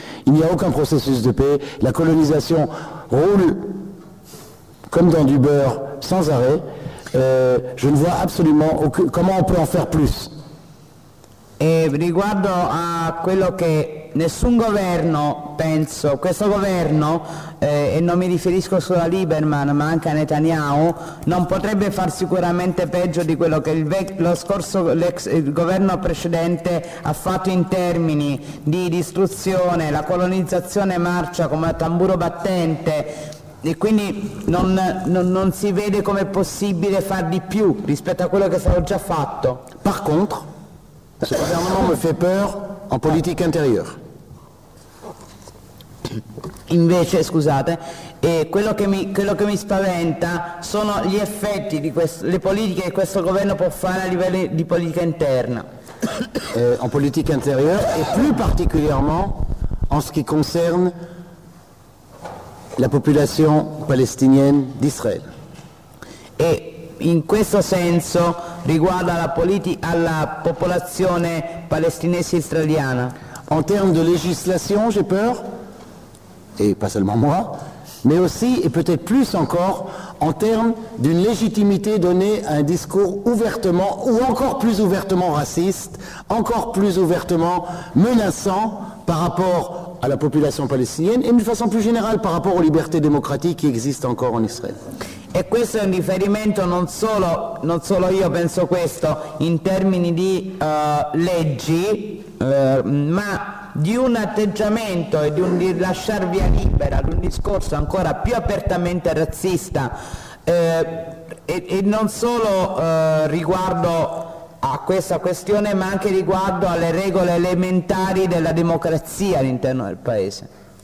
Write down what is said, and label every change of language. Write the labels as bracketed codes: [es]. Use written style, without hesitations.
[fr] Il n'y a aucun processus de paix. La colonisation roule comme dans du beurre sans arrêt. Je ne vois absolument aucun... comment on peut en faire plus. [it] Et riguardo à quello che nessun governo, penso, questo governo, e non mi riferisco solo a Lieberman ma anche a Netanyahu, non potrebbe far sicuramente peggio di quello che il governo precedente ha fatto in termini di distruzione. La colonizzazione marcia come a tamburo battente, e quindi non si vede come è possibile far di più rispetto a quello che è stato già fatto. [fr] Par contre, ce gouvernement me fait peur en politique intérieure. [it] Invece, scusate, quello che mi spaventa sono gli effetti di le politiche che questo governo può fare a livello di politica interna. [fr] En politique intérieure et plus particulièrement en ce qui concerne la population palestinienne d'Israël. [it] E in questo senso riguarda la politica alla popolazione palestinese israeliana. [fr] En termes de législation, j'ai peur. Et pas seulement moi, mais aussi et peut-être plus encore en termes d'une légitimité donnée à un discours ouvertement ou encore plus ouvertement raciste, encore plus ouvertement menaçant par rapport à la population palestinienne et d'une façon plus générale par rapport aux libertés démocratiques qui existent encore en Israël. [it] E questo è un riferimento non solo io penso questo in termini di leggi, ma di un atteggiamento e di lasciar via libera ad un discorso ancora più apertamente razzista, e non solo riguardo a questa questione, ma anche riguardo alle regole elementari della democrazia all'interno del paese.